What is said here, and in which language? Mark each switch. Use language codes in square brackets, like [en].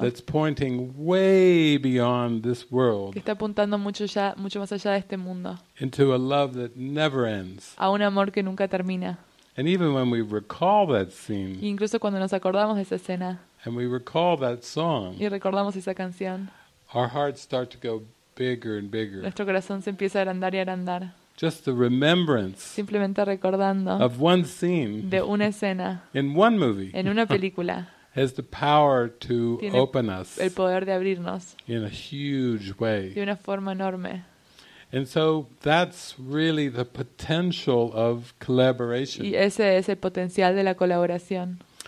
[en] That's pointing way beyond this world. [es] Que está apuntando mucho más allá de este mundo. [en] Into a love that never ends. [es] A un amor que nunca termina. [en] And even when we recall that scene. [es] Y incluso cuando nos acordamos de esa escena. [en] And we recall that song. [es] Y recordamos esa canción. [en] Our hearts start to go bigger and bigger. [es] Nuestro corazón se empieza a agrandar y agrandar. [en] Just the remembrance. [es] Simplemente recordando. [en] Of one scene. [es] De una escena. [en] In one movie. [es] En una película. [en] Has the power to open us. [es] El poder de abrirnos. [en] In a huge way. [es] De una forma enorme. [en] And so that's really the potential of collaboration. [es] Y ese es el potencial de la colaboración.